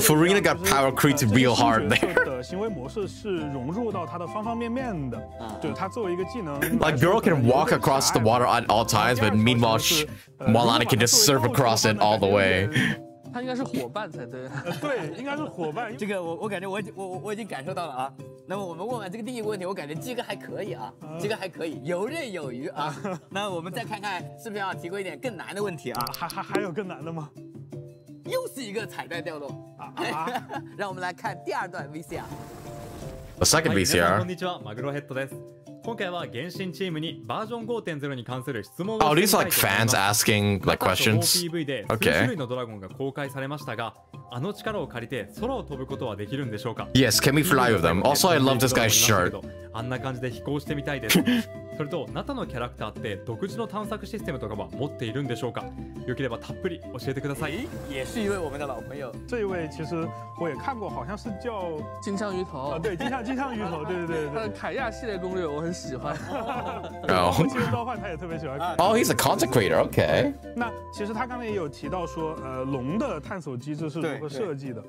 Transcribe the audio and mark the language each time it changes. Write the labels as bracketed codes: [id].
[en] Farina got power creep to real hard there. [zh] 的行为模式是融入到它的方方面面的，对它作为一个技能。Like [en] girl can walk across the water at all times, but meanwhile, Mualani can just surf across it all the way. [zh] 他应该是伙伴才对。对，应该是伙伴。这个我感觉我已经感受到了啊。那么我们问完这个第一个问题，我感觉鸡哥还可以啊，鸡哥还可以游刃有余啊。那我们再看看是不是要提供一点更难的问题啊？还有更难的吗？又是一个彩蛋掉落啊！让我们来看第二段 VCR。 [en] The second VCR. Oh, these like fans asking like questions. Yes, can we fly with them? Also, I love this guy's shirt. [ja] それとナタのキャラクターって独自の探索システムとかは持っているんでしょうか？よければたっぷり教えてください。 [zh] 也是一位我们的老朋友。这一位其实我也看过，好像是叫金枪鱼头。对，金枪鱼头，对对对对。凯亚系列攻略我很喜欢。然后，其实召唤他也特别喜欢。 [en] Oh, he's a consecrator. Okay. [zh] 那其实他刚才也有提到说，龙的探索机制是如何设计的？